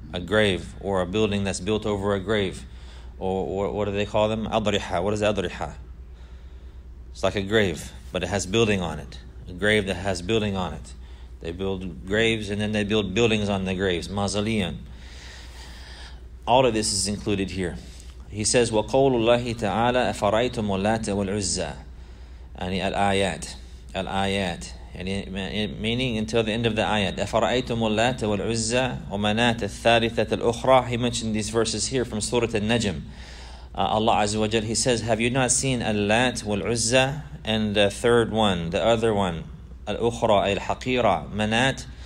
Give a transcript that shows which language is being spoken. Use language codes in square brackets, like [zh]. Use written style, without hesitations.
[en] A grave or a building that's built over a grave. Or what do they call them? Adriha. What is Adriha? It's like a grave, but it has building on it. A grave that has building on it. They build graves and then they build buildings on the graves. Mausoleum. All of this is included here. He says, [ar] وَقَوْلُ اللَّهِ تَعَالَى أَفَرَيْتُمُ اللَّاتَ وَالْعُزَّى يعني الآيات. الآيات. [en] يعني meaning until the end of the ayat. [ar] أَفَرَأَيْتُمُ اللَّاتَ وَالْعُزَّى وَمَنَاتَ الثَّالِثَةَ الْأُخْرَى. [en] He mentioned these verses here from Surah Al-Najm. Allah Azza wa Jal, He says, have you not seen Al-Lat wal-Uzza and the third one, the other one, Al-Ukhra, Al-Haqira, Manat?